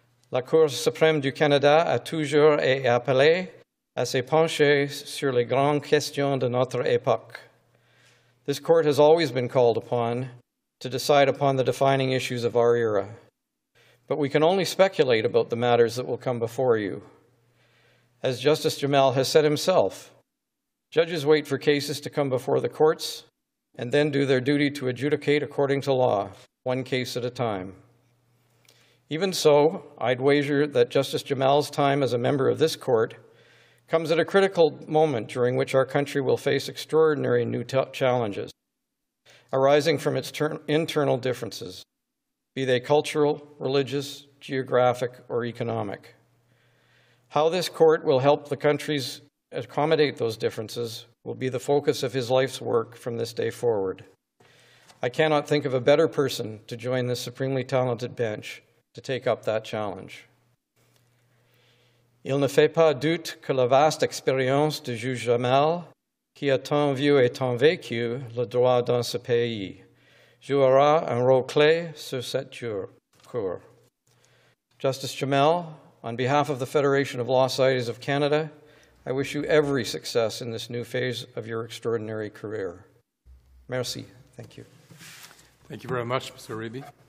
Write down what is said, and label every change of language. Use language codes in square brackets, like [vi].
[fr] La Cour suprême du Canada a toujours été appelée à se pencher sur les grandes questions de notre époque. [en] This court has always been called upon to decide upon the defining issues of our era. But we can only speculate about the matters that will come before you. As Justice Jamal has said himself, judges wait for cases to come before the courts and then do their duty to adjudicate according to law, one case at a time. Even so, I'd wager that Justice Jamal's time as a member of this court comes at a critical moment during which our country will face extraordinary new challenges arising from its internal differences, be they cultural, religious, geographic, or economic. How this court will help the countries accommodate those differences will be the focus of his life's work from this day forward. I cannot think of a better person to join this supremely talented bench to take up that challenge. [fr] Il ne fait pas doute que la vaste expérience de Juge Jamal, qui a tant vu et tant vécu le droit dans ce pays, jouera un rôle clé sur cette cour. [en] Justice Jamal, on behalf of the Federation of Law Societies of Canada, I wish you every success in this new phase of your extraordinary career. [fr] Merci. [en] Thank you. Thank you very much, Mr. Raby.